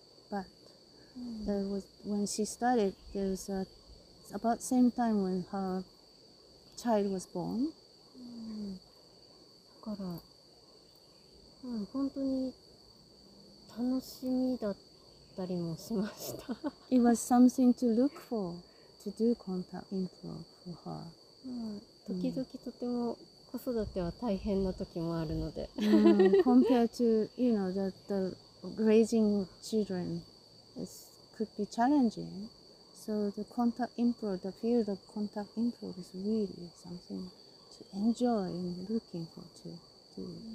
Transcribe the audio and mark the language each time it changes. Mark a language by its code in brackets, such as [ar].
[en] But there was when she started, there was a, about the same time when her child was born. [ja] だから、本当に楽しみだった。たりもしました。 [en] It was something to look for to do contact improv for her. [ja] 時々とても子育ては大変な時もあるので。 [en] Compared to you know that the raising children is could be challenging, so the contact improv, the field of contact improv is really something to enjoy and looking for to do.